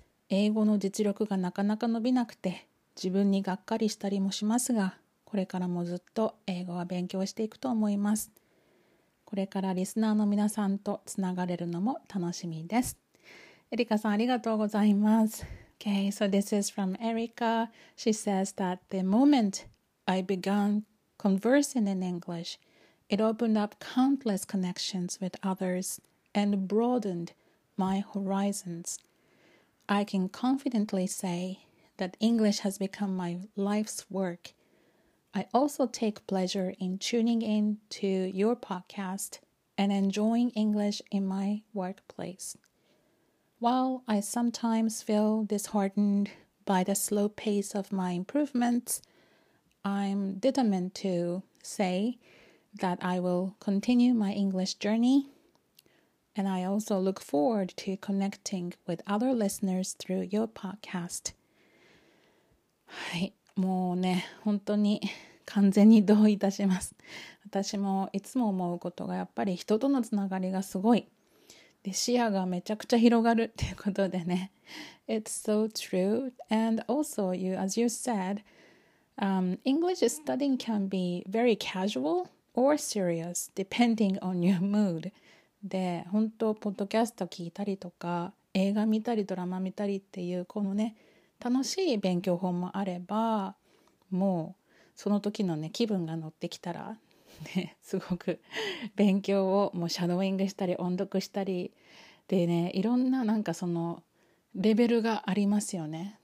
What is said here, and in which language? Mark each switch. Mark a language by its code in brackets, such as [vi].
[ja] 英語の実力がなかなか伸びなくて、自分にがっかりしたりもしますが、これからもずっと英語は勉強していくと思います。これからリスナーの皆さんとつながれるのも楽しみです。エリカさん、ありがとうございます。 [en] Okay, so this is from Erica. She says that the moment I began conversing in English, it opened up countless connections with others and broadened my horizons. I can confidently say that English has become my life's work. I also take pleasure in tuning in to your podcast and enjoying English in my workplace. While I sometimes feel disheartened by the slow pace of my improvements, I'm determined to say that I will continue my English journey. And I also look forward to connecting with other listeners through your podcast. [ja] はい、もうね、本当に完全に同意いたします。私もいつも思うことが、やっぱり人とのつながりがすごい。で、視野がめちゃくちゃ広がるっていうことでね。 [en] It's so true. And also, you, as you said,、English studying can be very casual or serious, depending on your mood. [ja] で、本当ポッドキャスト聞いたりとか映画見たりドラマ見たりっていうこのね、楽しい勉強法もあれば、もうその時のね、気分が乗ってきたら、ね、すごく勉強をもうシャドウイングしたり音読したりでね、いろんななんかそのレベルがありますよね。